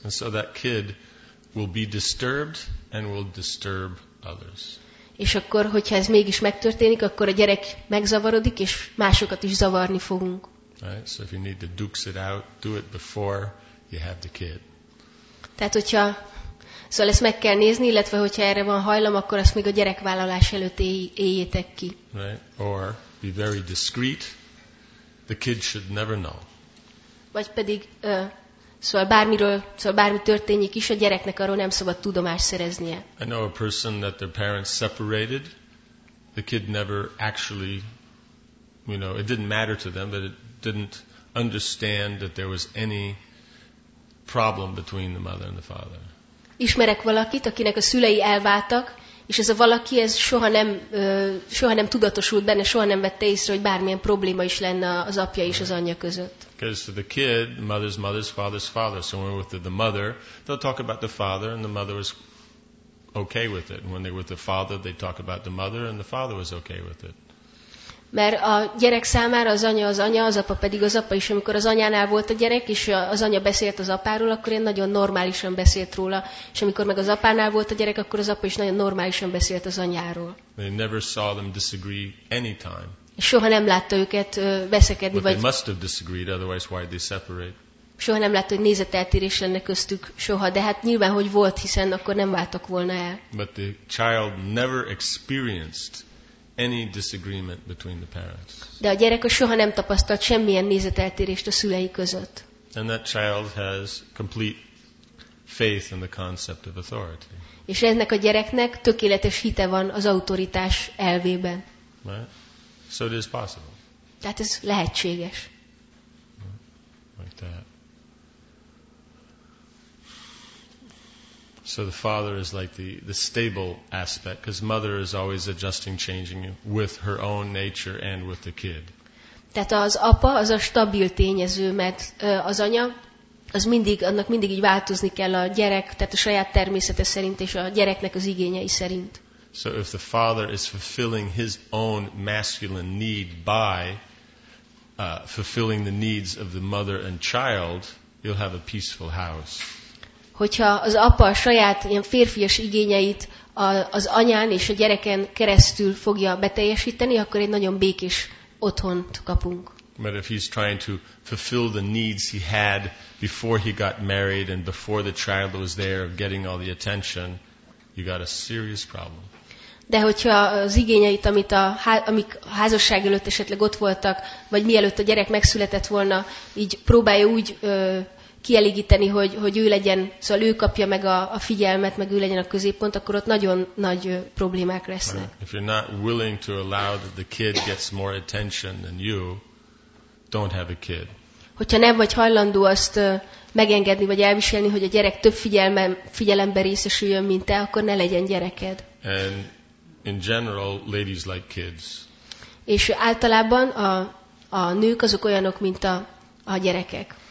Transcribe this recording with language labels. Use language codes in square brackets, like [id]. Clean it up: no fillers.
[en] And so that kid will be disturbed and will disturb others. [hu] És akkor, hogyha ez mégis megtörténik, akkor a gyerek megzavarodik, és másokat is zavarni fogunk. [en] Right, so if you need to dukes it out, do it before you have the kid. [hu] Tehát, hogyha szóval ezt meg kell nézni, illetve hogyha erre van hajlam, akkor azt még a gyerekvállalás előtt éljétek ki. [en] Right. Or be very discreet. The kid should never know. [hu] Vagy pedig Szóval bármiről, szóval bármi történik is, a gyereknek arról nem szabad tudomást szereznie. [en] I know a person that their parents separated. The kid never actually, you know, it didn't matter to them, but it didn't understand that there was any problem between the mother and the father. [hu] Ismerek valakit, akinek a szülei elváltak, és ez a valaki, ez soha nem tudatosult benne, soha nem vette észre, hogy bármilyen probléma is lenne az apja és az anyja között. [en] Because to the kid, mother's mother's father's father. So when with the mother, they'll talk about the father, and the mother was okay with it. And when they're with the father, they talk about the mother, and the father was okay with it. [hu] Mert a gyerek számára az anya, az apa pedig az apa is. Amikor az anyánál volt a gyerek, és az anya beszélt az apáról, akkor én nagyon normálisan beszélt róla. És amikor meg az apánál volt a gyerek, akkor az apa is nagyon normálisan beszélt az anyáról. [en] They never saw them disagree anytime. [hu] És soha nem látta őket veszekedni. [en] But [hu] vagy [en] they must have disagreed, otherwise why they separate? [hu] Soha nem látta, hogy nézeteltérés lenne köztük soha. De hát nyilván, hogy volt, hiszen akkor nem váltak volna el. [en] But the child never experienced any disagreement between the parents. [hu] De a gyerek soha nem tapasztalt semmilyen nézeteltérést a szülei között. [en] And that child has complete faith in the concept of authority. [hu] És ennek a gyereknek tökéletes hite van az autoritás elvében. [en] Right? So it is possible. [hu] Tehát ez lehetséges. [en] Like that. So the father is like the stable aspect, because mother is always adjusting, changing with her own nature and with the kid. [hu] Tehát az apa az a stabil tényező, mert az anya az mindig, annak mindig így változni kell a gyerek, tehát a saját természete szerint és a gyereknek az igényei szerint. [en] So if the father is fulfilling his own masculine need by fulfilling the needs of the mother and child, you'll have a peaceful house. [hu] Hogyha az apa a saját ilyen férfias igényeit az anyán és a gyereken keresztül fogja beteljesíteni, akkor egy nagyon békés otthont kapunk. [en] But if he's trying to fulfill the needs he had before he got married and before the child was there of getting all the attention, you got a serious problem. [hu] De hogyha az igényeit, amik a házasság előtt esetleg ott voltak, vagy mielőtt a gyerek megszületett volna, így próbálja úgy kielégíteni, hogy ő legyen, szóval ő kapja meg a figyelmet, meg ő legyen a középpont, akkor ott nagyon nagy problémák lesznek. [en] If you're not willing to allow that the kid gets more attention than you, don't have a kid. [hu] Hogyha nem vagy hajlandó azt megengedni, vagy elviselni, hogy a gyerek több figyelembe részesüljön, mint te, akkor ne legyen gyereked. [en] And in general, ladies like kids. [hu] És általában a nők azok olyanok, mint a gyerekek.